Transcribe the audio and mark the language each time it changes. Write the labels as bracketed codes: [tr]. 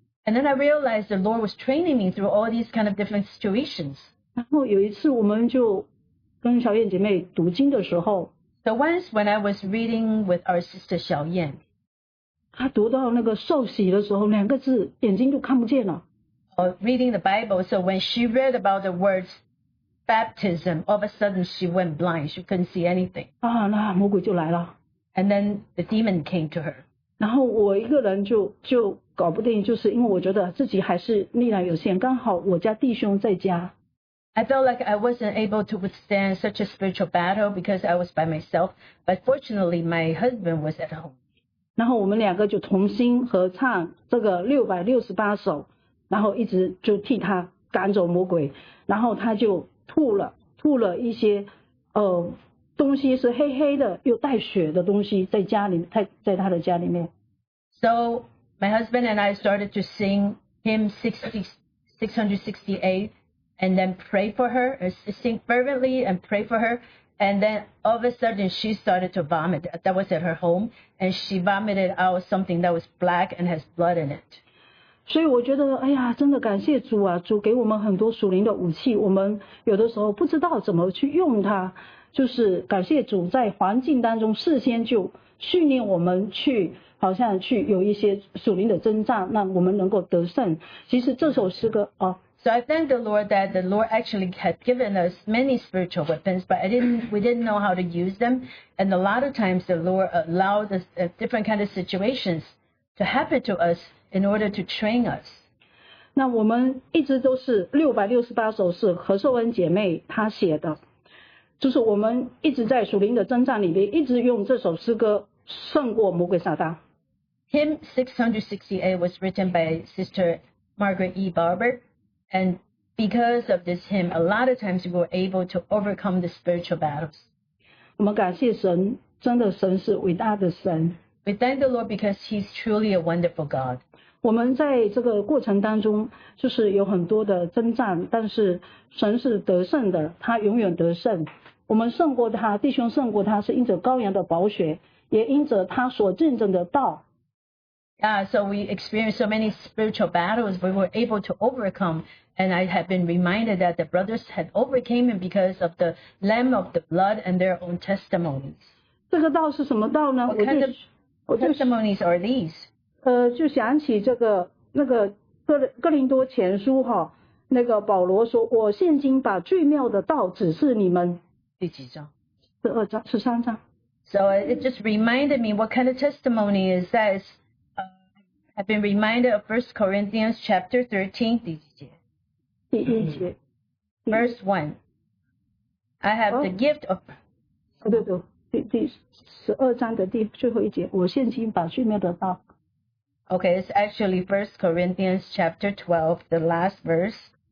[en] and then I realized the Lord was training me through all these kind of different situations. [zh] 然后有一次我们就跟小燕姐妹读经的时候, [en] so once when I was reading with our sister Xiao Yan, [zh] 他读到那个受洗的时候，两个字眼睛就看不见了。 [en] Reading the Bible, so when she read about the words baptism, all of a sudden she went blind, she couldn't see anything. [zh] 啊，那魔鬼就来了。 [en] And then the demon came to her. [zh] 然后我一个人就搞不定，就是因为我觉得自己还是力量有限，刚好我家弟兄在家。 [en] I felt like I wasn't able to withstand such a spiritual battle because I was by myself, but fortunately my husband was at home. [zh] 然后我们两个就同心合唱这个668首，然后一直就替他赶走魔鬼，然后他就吐了一些东西，是黑黑的又带血的东西，在家里面，在他的家里面。 [en] So my husband and I started to sing hymn 668 and then pray for her, sing fervently and pray for her. And then all of a sudden she started to vomit. That was at her home. And she vomited out something that was black and has blood in it. [zh] 所以我觉得哎呀真的感谢主啊，主给我们很多属灵的武器，我们有的时候不知道怎么去用它，就是感谢主在环境当中事先就训练我们去好像去有一些属灵的征战，让我们能够得胜。其实这首诗歌啊， [en] So I thank the Lord that the Lord actually had given us many spiritual weapons, but we didn't know how to use them. And a lot of times the Lord allowed us different kind of situations to happen to us in order to train us. [zh] 那我们一直都是668首是何寿恩姐妹她写的，就是我们一直在属灵的征战里面，一直用这首诗歌胜过魔鬼撒旦。 [en] Hymn 668 was written by Sister Margaret E. Barber. And because of this hymn, a lot of times we were able to overcome the spiritual battles. [zh] 我们感谢神，真的神是伟大的神。 [en] We thank the Lord because He's truly a wonderful God. [zh] 我们在这个过程当中，就是有很多的征战，但是神是得胜的，他永远得胜。我们胜过他，弟兄胜过他，是因着羔羊的宝血，也因着他所见证的道。 [en] Yeah, so we experienced so many spiritual battles we were able to overcome. And I have been reminded that the brothers had overcame him because of the lamb of the blood and their own testimonies. [zh] 这个道是什么道呢? [en] What kind of testimonies are these? [zh] 就想起这个那个哥林多前书哈，那个保罗说，我现今把最妙的道指示你们。第几章？十二章，十三章。 [en] So it just reminded me what kind of testimony is that? I've been reminded of 1 Corinthians chapter 13, verse 1. I have the gift of... Okay, it's actually 1 Corinthians chapter 12, the last verse.